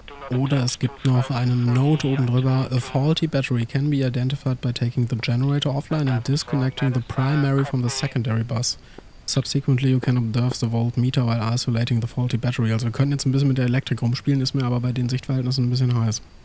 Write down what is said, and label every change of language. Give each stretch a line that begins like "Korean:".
German: Oder es gibt noch eine Note oben drüber.
English: A faulty battery can be identified by taking the generator offline and disconnecting the primary from the secondary bus. Subsequently you can observe the voltmeter while isolating the faulty battery.
German: Also wir können jetzt ein bisschen mit der Elektrik rumspielen, ist mir aber bei den Sichtverhältnissen ein bisschen heiß.